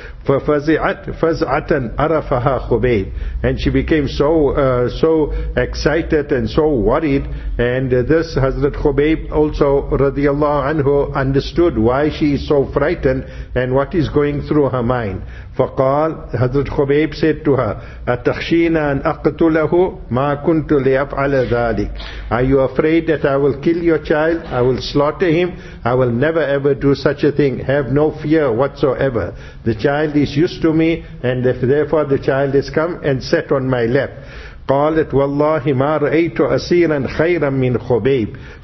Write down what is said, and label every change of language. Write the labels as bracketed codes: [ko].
[ar] فَزْعَةً عَرَفَهَا خُبَيْبٍ. [en] And she became so excited and so worried, and this Hazrat Khubayb also radiallahu anhu understood why she is so frightened and what is going through her mind. [ar] فقال, [en] Hazrat Khubayb said to her, [ar] أَتَخْشِينَ أَنْ أَقْتُلَهُ مَا كُنْتُ لِيَفْعَلَ ذَلِكَ. [en] Are you afraid that I will kill your child? I will slaughter him? I will never ever do such a thing. Have no fear whatsoever. The child is used to me, and therefore the child has come and sat on my lap. [ar] قَالَتْ وَاللَّهِ مَا رَأَيْتُ أَسِيرًا خَيْرًا مِّنْ خُبَيْبٍ.